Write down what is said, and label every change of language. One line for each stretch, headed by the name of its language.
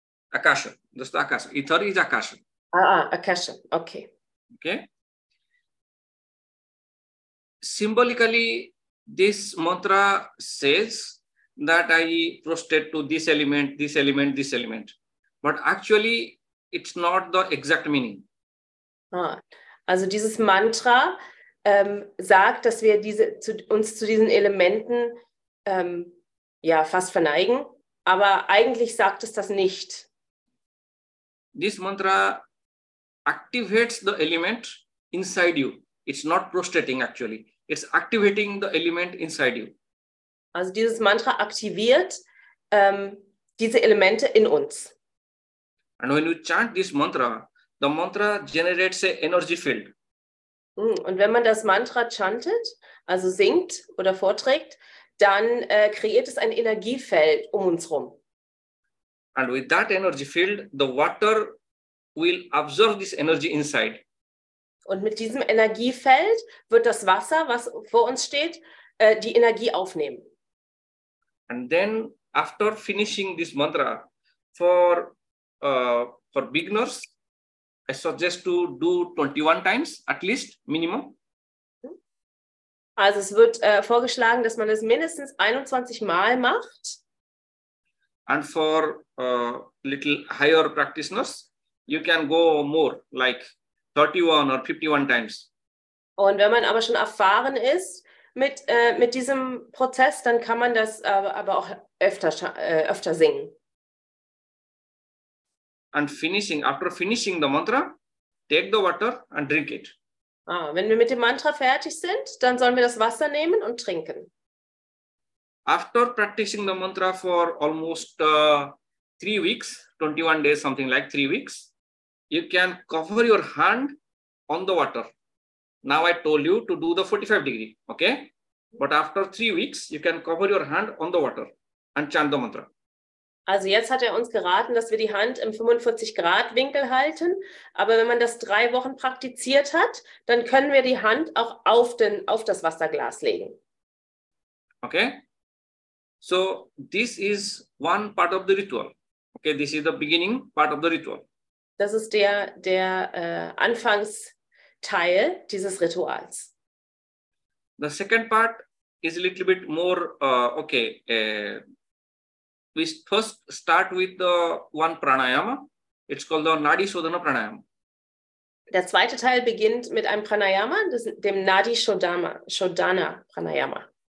German: Akasha, das ist Akasha. Ether ist Akasha.
English: Akasha, okay. Okay. Symbolically, this mantra says that I prostrate to this element, this element, this element. But actually, it's not the exact meaning.
German: Also dieses Mantra sagt, dass wir uns zu diesen Elementen fast verneigen, aber eigentlich sagt es das nicht.
English: This mantra activates the element inside you. It's not prostrating actually. It's activating the element inside you.
German: Also dieses Mantra aktiviert diese Elemente in uns.
English: And when you chant this mantra, the mantra generates an energy field.
German: Und wenn man das Mantra chantet, also singt oder vorträgt, dann kreiert es ein Energiefeld um uns herum.
English: And with that energy field, the water will absorb this energy inside.
German: Und mit diesem Energiefeld wird das Wasser, was vor uns steht, die Energie aufnehmen.
English: And then after finishing this mantra, for beginners, I suggest to do 21 times, at least, minimum.
German: Also es wird vorgeschlagen, dass man es mindestens 21 Mal macht.
English: And for little higher practitioners, you can go more, like 31 or 51 times.
German: Und wenn man aber schon erfahren ist mit diesem Prozess, dann kann man das aber auch öfter singen.
English: And after finishing the mantra, take the water and drink it.
German: Wenn wir mit dem Mantra fertig sind, dann sollen wir das Wasser nehmen und trinken.
English: After practicing the mantra for almost 3 weeks, 21 days, something like 3 weeks, you can cover your hand on the water. Now I told you to do the 45 degree, okay? But after 3 weeks, you can cover your hand on the water and chant the mantra.
German: Also jetzt hat uns geraten, dass wir die Hand im 45-Grad-Winkel halten. Aber wenn man das 3 Wochen praktiziert hat, dann können wir die Hand auch auf das Wasserglas legen.
English: Okay. So this is one part of the ritual. Okay, this is the beginning part of the ritual.
German: Das ist der Anfangsteil dieses Rituals.
English: The second part is a little bit more, we first start with the one pranayama. It's called the Nadi Shodhana Pranayama.
German: Der zweite Teil beginnt mit einem Pranayama, dem Nadi Shodhana Pranayama.